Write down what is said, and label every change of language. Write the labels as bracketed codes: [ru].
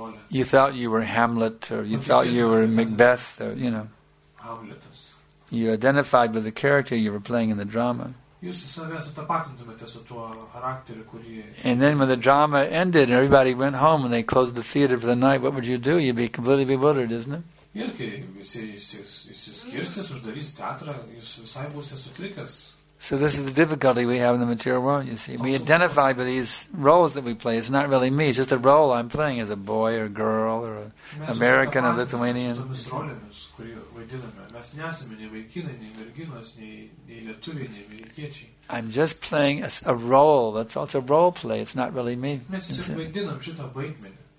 [en] You thought you were Hamlet, or you thought you were Macbeth, or, you know. You identified with the character you were playing in the drama. And then when the drama ended and everybody went home and they closed the theater for the night, what would you do? You'd be completely bewildered, isn't it? [lt] Ir kai visi išsiskirstys, uždarys teatrą, jūs visai būsite sutrikęs. [en] So this is the difficulty we have in the material world, you see. We identify with these roles that we play. It's not really me, it's just a role I'm playing as a boy or girl or American or Lithuanian. [lt] Mes esame rolėmis, kurį vaidiname. Mes nesame nei vaikinai, nei merginos, nei lietuviai, nei amerikiečiai. [en] I'm just playing a role, that's all, it's a role play, it's not really me. [lt] Mes tik vaidinam šitą vaidmenį.